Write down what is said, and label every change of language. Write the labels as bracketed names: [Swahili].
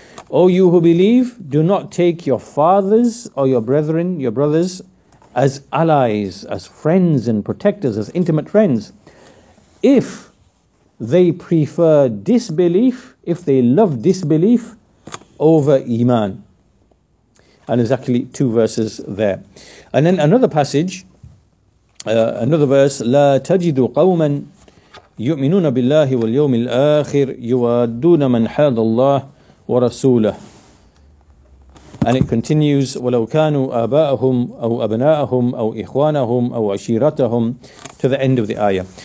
[English] O you who believe, do not take your fathers or your brethren, your brothers, as allies, as friends and protectors, as intimate friends, if they prefer disbelief, if they love disbelief over Iman. And there's actually 2 verses there. And then another passage, another verse, [Arabic] لا تجد قوما يؤمنون بالله واليوم الآخر يوادون من حاد الله ورسوله. [English] And it continues, [Arabic] وَلَوْ كَانُوا آبَاءَهُمْ أَوْ أَبْنَاءَهُمْ أَوْ إِخْوَانَهُمْ أَوْ عَشِيرَتَهُمْ, [English] to the end of the ayah.